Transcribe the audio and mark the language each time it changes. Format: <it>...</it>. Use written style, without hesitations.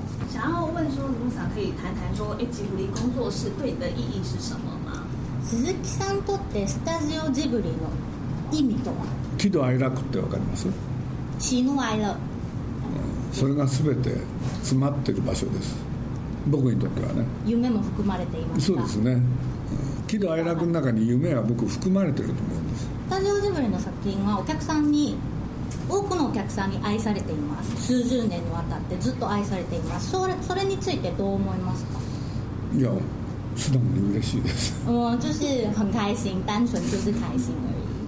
<zh>想要问说，卢萨可以谈谈说，吉卜力工作室对你的意义是什么吗？</zh> <ja>鈴木さんとってスタジオジブリの意味とは？喜怒哀楽ってわかります？喜怒哀楽。それがすべて詰まってる場所です。僕にとってはね。夢も含まれていますか？そうですね。喜怒哀楽の中に夢は僕含まれてると思うんです。スタジオジブリの作品はお客さんに、多くのお客さんに愛されています。数十年にわたってずっと愛されています。それについてどう思いますか？いや、素直に嬉しいです。</ja> <zh>もう就是很開心、单纯就是開心而已。</zh>